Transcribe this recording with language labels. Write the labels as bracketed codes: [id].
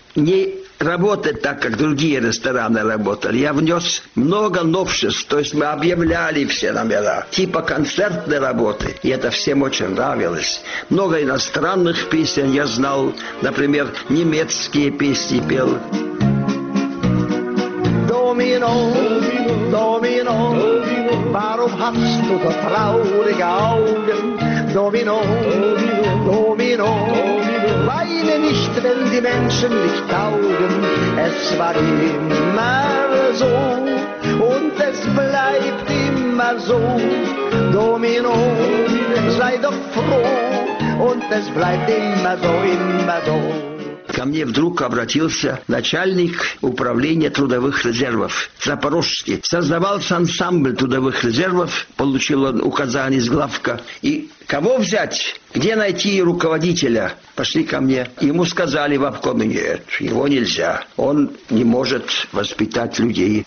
[ru] не работать так, как другие рестораны работали. Я внес много новшеств, то есть мы объявляли все номера, типа концертной работы, и это всем очень нравилось. Много иностранных песен я знал, например, немецкие песни пел. [de] Domino, Domino, warum hast du so traurige Augen? Domino, Domino, weine nicht, wenn die Menschen dich taugen. Es war immer so und es bleibt immer so. Domino, sei doch froh und es bleibt immer so, immer so. [ru] Ко мне вдруг обратился начальник управления трудовых резервов Запорожский. Создавался ансамбль трудовых резервов, получил он указание из главка. И кого взять? Где найти руководителя? Пошли ко мне. Ему сказали в обкоме, нет, его нельзя. Он не может воспитать людей.